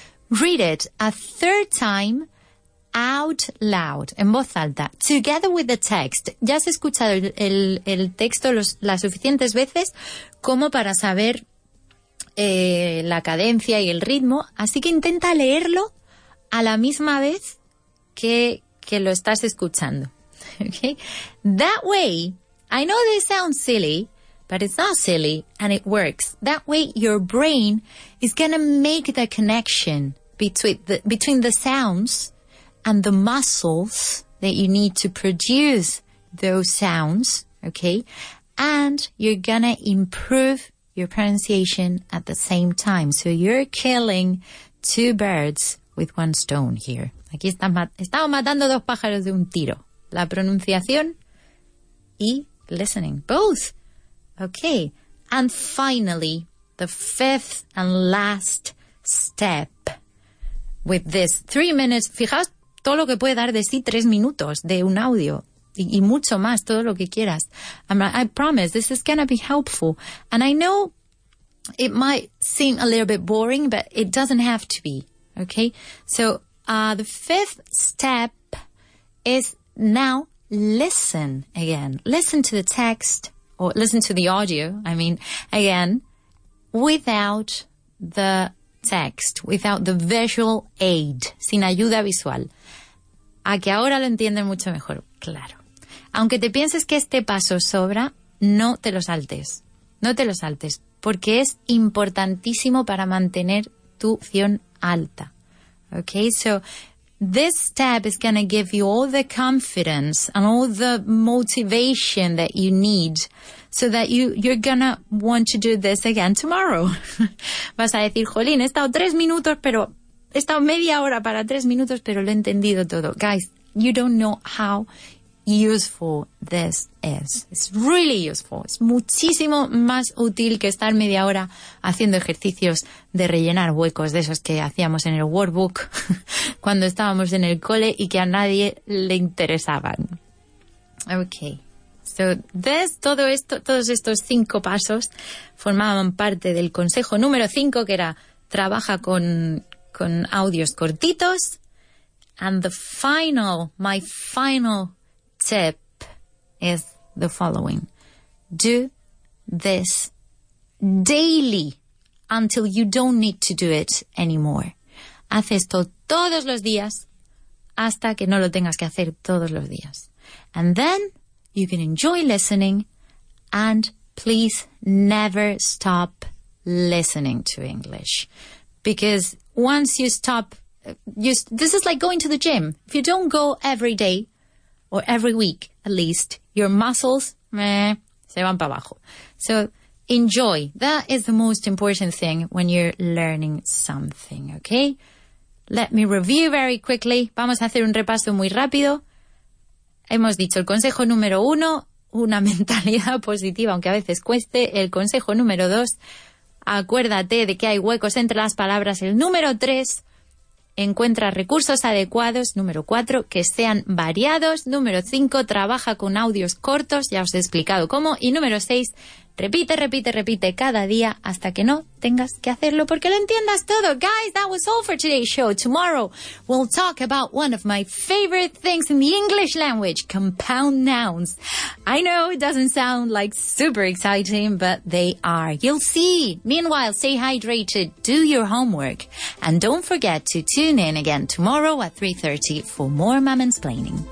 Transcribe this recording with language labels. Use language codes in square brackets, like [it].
[en] Read it a third time out loud, [es] en voz alta, [en] together with the text. [es] Ya has escuchado el texto las suficientes veces como para saber la cadencia y el ritmo, así que intenta leerlo a la misma vez que lo estás escuchando. [en] Okay? That way, I know this sounds silly, but it's not silly and it works. That way your brain is gonna make the connection between the sounds and the muscles that you need to produce those sounds, okay? And you're gonna improve your pronunciation at the same time. So you're killing two birds with one stone here. [es] Aquí estamos matando dos pájaros de un tiro. La pronunciación y listening. Both. Okay. [en] And finally, the fifth and last step with this 3 minutes. [es] Fijaos todo lo que puede dar de sí 3 minutos de un audio. Y mucho más, todo lo que quieras. [en] I promise, this is going to be helpful. And I know it might seem a little bit boring, but it doesn't have to be, okay? So the fifth step is now listen again. Listen to the text, or listen to the audio, I mean, again, without the text, without the visual aid, [es] sin ayuda visual. A que ahora lo entienden mucho mejor, claro. Aunque te pienses que este paso sobra, no te lo saltes. No te lo saltes, porque es importantísimo para mantener tu dicción alta. [en] Okay, so this step is going to give you all the confidence and all the motivation that you need so that you're going to want to do this again tomorrow. [es] Vas a decir, jolín, he estado media hora para 3 minutos, pero lo he entendido todo. [en] Guys, you don't know how useful this is. It's really useful. [es] Es muchísimo más útil que estar media hora haciendo ejercicios de rellenar huecos de esos que hacíamos en el workbook cuando estábamos en el cole y que a nadie le interesaban. Okay. [en] So this, [es] todos estos 5 pasos formaban parte del consejo número 5, que era trabaja con audios cortitos. [en] And the final, my final tip is the following. Do this daily until you don't need to do it anymore. [es] Haz esto todos los días hasta que no lo tengas que hacer todos los días. [en] And then you can enjoy listening and please never stop listening to English. Because once you stop, this is like going to the gym. If you don't go every day, or every week, at least, your muscles, [es] se van para abajo. [en] So enjoy. That is the most important thing when you're learning something, okay? Let me review very quickly. [es] Vamos a hacer un repaso muy rápido. Hemos dicho el consejo número uno, una mentalidad positiva, aunque a veces cueste. El consejo número dos, acuérdate de que hay huecos entre las palabras. El número tres, encuentra recursos adecuados. Número cuatro, que sean variados. Número cinco, trabaja con audios cortos. Ya os he explicado cómo. Y número seis, repite, repite, repite cada día hasta que no tengas que hacerlo porque lo entiendas todo. [en] Guys, that was all for today's show. Tomorrow, we'll talk about one of my favorite things in the English language, compound nouns. I know it doesn't sound like super exciting, but they are. You'll see. Meanwhile, stay hydrated, do your homework, and don't forget to tune in again tomorrow at 3:30 for more Mamansplaining.